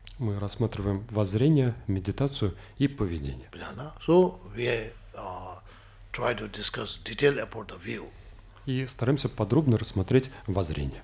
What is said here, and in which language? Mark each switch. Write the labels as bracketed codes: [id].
[ru] Мы рассматриваем воззрение, медитацию и поведение. Понятно? [en] So we try to discuss detail about the view. [ru] И стараемся подробно рассмотреть воззрение.